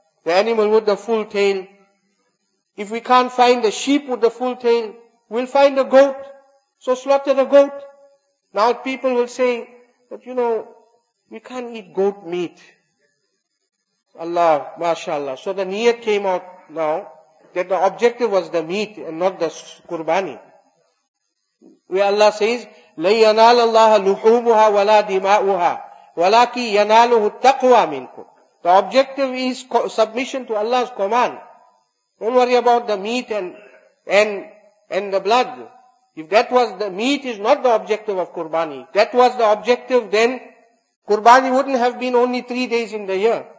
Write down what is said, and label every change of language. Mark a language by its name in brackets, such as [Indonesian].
[English] The animal with the full tail. If we can't find the sheep with the full tail, we'll find a goat. So slaughter the goat. Now people will say, but you know, we can't eat goat meat. Allah, mashallah. So the niyat came out now, that the objective was the meat and not the qurbani. Where Allah says, [Arabic] لَنْ يَنَالَ اللَّهَ لُحُومُهَا وَلَا دِمَاؤُهَا وَلَاكِ يَنَالُهُ التَّقْوَى مِنْكُمْ. [English] The objective is submission to Allah's command. Don't worry about the meat and the blood. If that was the meat is not the objective of qurbani, that was the objective, then qurbani wouldn't have been only 3 days in the year.